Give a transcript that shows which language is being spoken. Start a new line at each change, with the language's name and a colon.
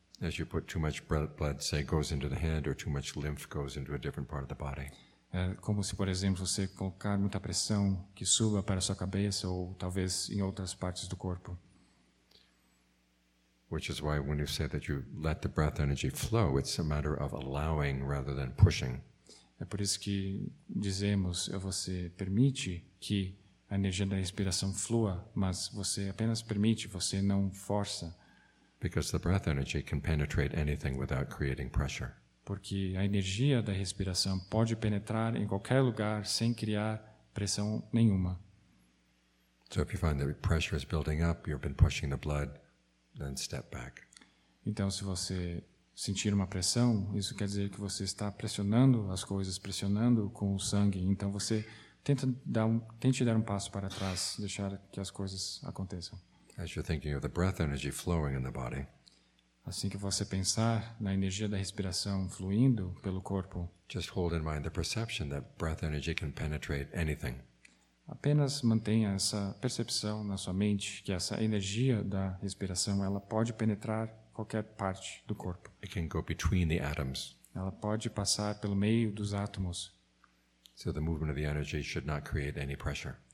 English: As you put too much blood, say, goes into the hand, or too much lymph goes into a different part of the body.
Portuguese: É como se, por exemplo, você colocar muita pressão que suba para a sua cabeça ou talvez em outras partes do corpo.
English: Which is why when you say that you let the breath energy flow, it's a matter of allowing rather than pushing.
Portuguese: É por isso que dizemos, você permite que a energia da respiração flua, mas você apenas permite, você não força.
English: Because the breath energy can penetrate anything without creating pressure.
Portuguese: Porque a energia da respiração pode penetrar em qualquer lugar sem criar pressão nenhuma.
English: So if you find that pressure is building up, you've been pushing the blood, then step back.
Portuguese: Então, se você sentir uma pressão, isso quer dizer que você está pressionando as coisas, pressionando com o sangue. Então, você tente dar um passo para trás, deixar que as coisas aconteçam.
English: As you're thinking of the breath energy flowing in the body.
Portuguese: Assim que você pensar na energia da respiração fluindo pelo corpo,
English: just hold in mind the perception that breath energy can penetrate anything.
Portuguese: Apenas mantenha essa percepção na sua mente que essa energia da respiração ela pode penetrar qualquer parte do corpo.
English: It can go between the atoms.
Portuguese: Ela pode passar pelo meio dos átomos.
English: So the movement of the energy should not create any pressure.